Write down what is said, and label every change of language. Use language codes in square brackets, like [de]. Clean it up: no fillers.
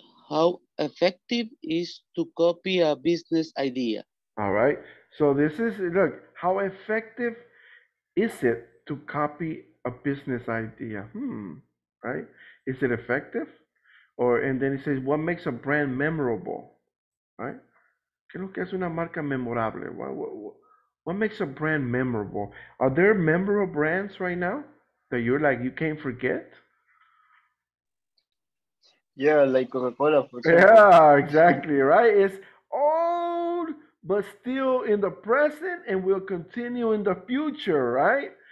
[en] How effective is to copy a business idea? All right. So this is, look, how effective is it to copy a business idea? Right? Is it effective? Or, and then it says, what makes a brand memorable? Right? [es] ¿Qué es lo que hace una marca memorable? [en] What makes a brand memorable? Are there memorable brands right now that you're like, you can't forget? Yeah, like Coca-Cola, for example. Yeah, exactly, right? It's old, but still in the present, and will continue in the future, right?